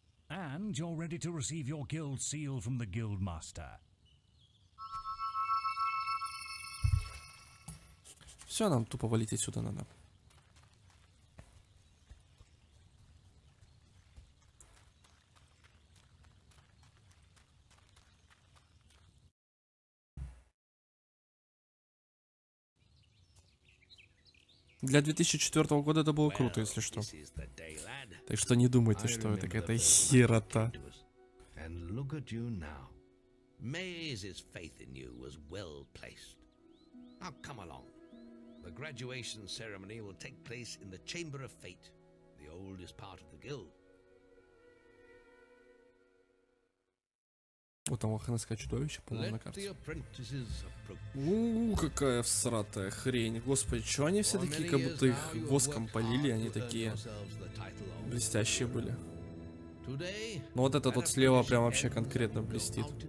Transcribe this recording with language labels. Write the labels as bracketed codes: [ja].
[en] And you're ready to receive your guild seal from the guild master. [ru] Все, нам тупо валить отсюда надо. Для 2004 года это было круто, если что. Так что не думайте, что это какая-то херота. [en] And look at you now. Maze's faith in you was well placed. Now come along. The graduation ceremony will take place in the Chamber of Fate, the oldest part of the guild. [ru] Вот там лоханское чудовище, по-моему, на карте. Какая всратая хрень. Господи, чё они все такие, как будто их воском полили, они такие блестящие были. Ну вот этот вот слева прям вообще конкретно блестит.